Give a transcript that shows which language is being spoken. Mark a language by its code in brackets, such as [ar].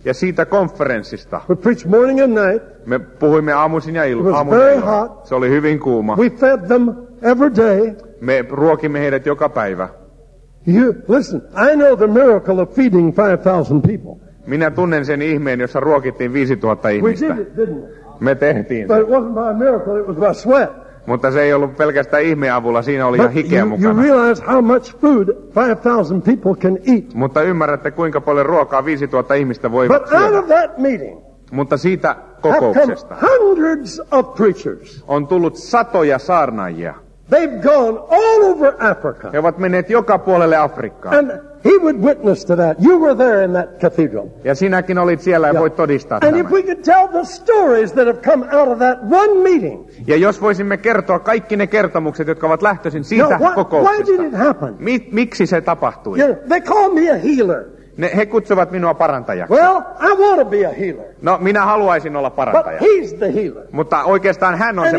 [fi] Ja siitä konferenssista. [en] We preached morning and night. [fi] Me puhuimme aamuisin ja illalla. Se oli hyvin kuuma. [en] We fed them every day. [fi] Me ruokimme heidät joka päivä. [en] You, listen, I know the miracle of feeding 5,000 people. [fi] Minä tunnen sen ihmeen, jossa ruokittiin 5,000 ihmistä. [en] We did it, didn't we? [fi] Me tehtiin [en] But it wasn't by a miracle, it was by sweat. [fi] Mutta se ei ollut pelkästään ihmeen avulla, siinä oli [en] But [fi] ihan hikeä mukana. [en] You realize how much food 5,000 people can eat. [fi] Mutta ymmärrätte, kuinka paljon ruokaa 5,000 ihmistä voi [en] But [fi] syödä. [en] Out of that meeting, [fi] mutta siitä kokouksesta [en] hundreds of preachers. [fi] On tullut satoja saarnaajia. [en] They've gone all over Africa. [fi] He ovat menneet joka puolelle Afrikkaa. [en] And he would witness to that. You were there in that cathedral. [fi] Ja sinäkin olit siellä ja voit todistaa tämän. [en] And if we could tell the stories that have come out of that one meeting. [fi] Ja jos voisimme kertoa kaikki ne kertomukset, jotka ovat lähtöisin siitä kokouksesta. [en] Why did it happen? [fi] Miksi se tapahtui? [en] You know, they call me a healer. [fi] He kutsuvat minua parantajaksi. [en] Well, I want to be a healer. [fi] No, minä haluaisin olla parantaja. [en] But he's the healer. [fi] Mutta oikeastaan hän on [en] and